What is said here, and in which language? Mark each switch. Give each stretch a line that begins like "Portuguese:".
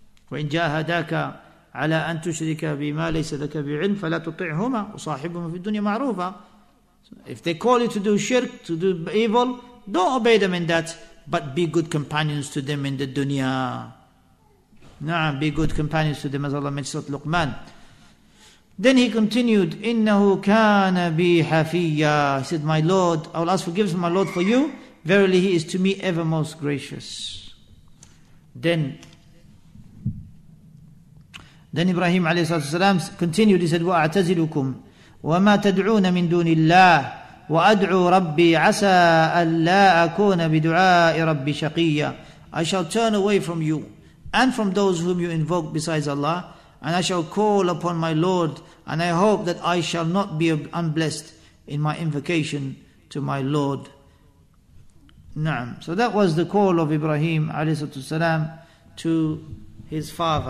Arabic: وَإِنْ جَاهَدَاكَ عَلَىٰ أَنْ تُشْرِكَ بِمَا لَيْسَ لَكَ بِعِلْمٍ فَلَا تُطِعْهُمَا وَصَاحِبُهُمَا فِي الدُّنْيَا مَعْرُوفًا.
English: If they call you to do shirk, to do evil, don't obey them in that, but be good companions to them in the dunya. Nah, be good companions to them, as Allah mentioned, Luqman. Then he continued,
Arabic: إِنَّهُ كَانَ بِي حَفِيًّا.
English: He said, my Lord, I will ask forgiveness of my Lord for you. Verily he is to me ever most gracious. Then Ibrahim
Arabic: عليه الصلاة والسلام
English: continued, he said,
Arabic: وَأَعْتَزِلُكُمْ وَمَا تَدْعُونَ مِن دُونِ اللَّهِ وَأَدْعُوا رَبِّي عَسَىٰ أَلَّا أَكُونَ بِدُعَاءِ رَبِّي شَقِيًّا.
English: I shall turn away from you and from those whom you invoke besides Allah, and I shall call upon my Lord, and I hope that I shall not be unblessed in my invocation to my Lord. Na'am. So that was the call of Ibrahim alayhi salam to his father.